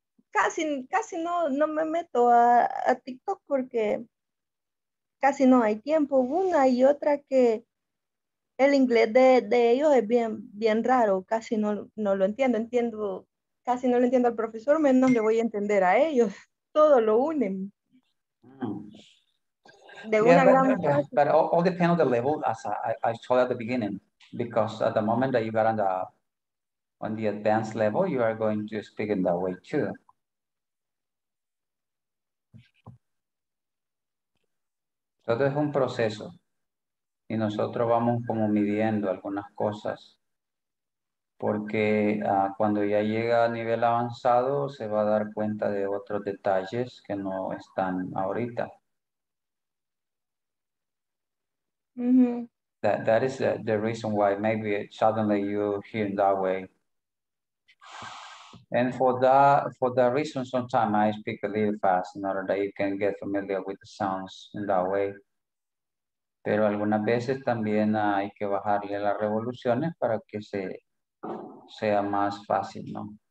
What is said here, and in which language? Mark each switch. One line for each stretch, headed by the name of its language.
Spanish: Casi no me meto a TikTok porque casi no hay tiempo. Una y otra que el inglés de ellos es bien, bien raro, casi no lo entiendo. Entiendo, casi no lo entiendo al profesor, menos le voy a entender a ellos. Todo lo unen. De una gran clase.
English: But all depends on the level, as I told at the beginning, because at the moment that you got on the advanced level, you are going to speak in that way too.
Spanish: Todo es un proceso. Y nosotros vamos como midiendo algunas cosas. Porque cuando ya llega a nivel avanzado, se va a dar cuenta de otros detalles que no están ahorita. Mm-hmm.
English: That is the reason why maybe suddenly you hear in that way. And for that reason, sometimes I speak a little fast in order that you can get familiar with the sounds in that way.
Spanish: Pero algunas veces también hay que bajarle las revoluciones para que sea más fácil, ¿no?